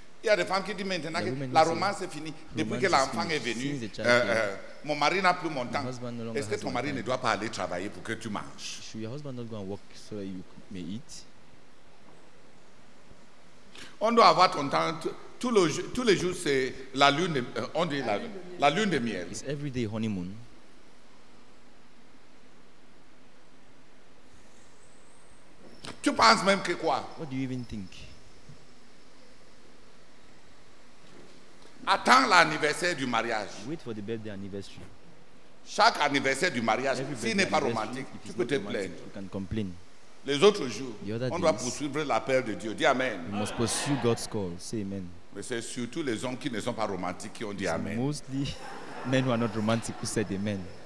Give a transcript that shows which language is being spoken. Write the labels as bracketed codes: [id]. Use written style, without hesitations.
[fr] Il y a des femmes qui disent maintenant que la romance est finie. Depuis que l'enfant est venu, mon mari n'a plus mon temps. Est-ce que ton mari ne doit pas aller travailler pour que tu manges? [en] Should your husband not go and work so that you may eat? [fr] On doit avoir ton temps. Tous les jours, c'est la lune de, on dit la lune de miel. [en] It's every day honeymoon. [fr] Tu penses même que quoi? [en] What do you even think? [fr] Attends l'anniversaire du mariage. [en] Wait for the birthday anniversary. [fr] Chaque anniversaire du mariage, s'il n'est pas romantique, tu peux te plaindre. [en] You can complain. [fr] Les autres jours, on doit poursuivre l'appel de Dieu. Dis amen. [en] You must pursue God's call. Say amen. [fr] Mais c'est surtout les hommes qui ne sont pas romantiques qui ont dit amen. [en] Mostly men who are not romantic who said amen.